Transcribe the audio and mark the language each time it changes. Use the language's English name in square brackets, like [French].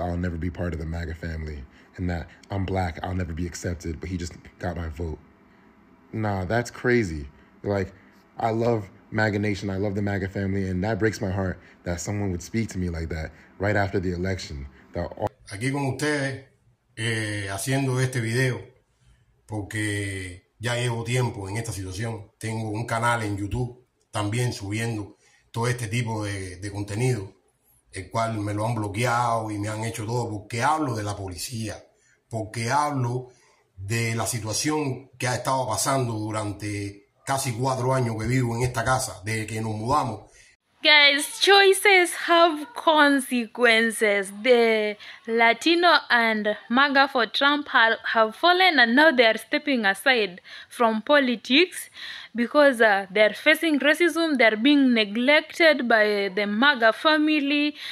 [English] I'll never be part of the MAGA family and that I'm black. I'll never be accepted. But he just got my vote. Nah, that's crazy. Like, I love MAGA Nation. I love the MAGA family. And that breaks my heart that someone would speak to me like that right after the election. That all- [Spanish] Aquí con ustedes, haciendo este video, porque ya llevo tiempo en esta situación. Tengo un canal en YouTube también subiendo todo este tipo de contenido, el cual me lo han bloqueado y me han hecho todo, porque hablo de la policía, porque hablo de la situación que ha estado pasando durante casi 4 años que vivo en esta casa, desde que nos mudamos. [English] Guys, choices have consequences. The Latino and MAGA for Trump have fallen, and now they are stepping aside from politics because they are facing racism. They are being neglected by the MAGA family.